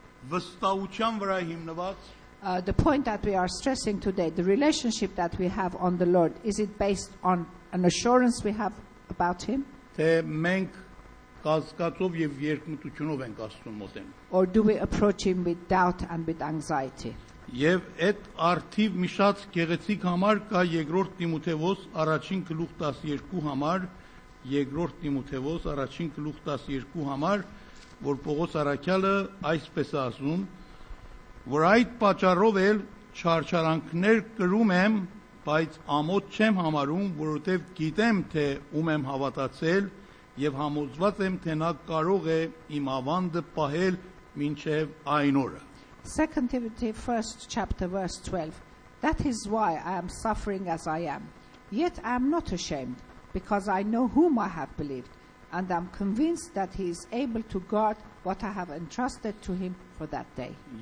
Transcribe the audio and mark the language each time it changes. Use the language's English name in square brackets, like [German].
[English] The point that we are stressing today, the relationship that we have on the Lord, is it based on an assurance we have about him? Or do we approach him with doubt and with anxiety? [Armenian] Եվ այդ արդիվ մի շատ գեղեցիկ համար կա 2-րդ Տիմոթեոս առաջին գլուխ 12 համար, 2-րդ Տիմոթեոս առաջին գլուխ 12 համար, որ Պողոս Արաքյալը այսպես ասում, որ այդ պատճառով էլ չարչարանքներ կրում եմ, բայց ամոթ չեմ համարում, որովհետև գիտեմ, թե ում եմ հավատացել, եւ համոզված եմ, թե նա կարող է իմ ավանդը պահել մինչև այն օրը. [English] 2 Timothy 1st chapter verse 12. That is why I am suffering as I am. Yet I am not ashamed, because I know whom I have believed, and I am convinced that he is able to guard what I have entrusted to him for that day.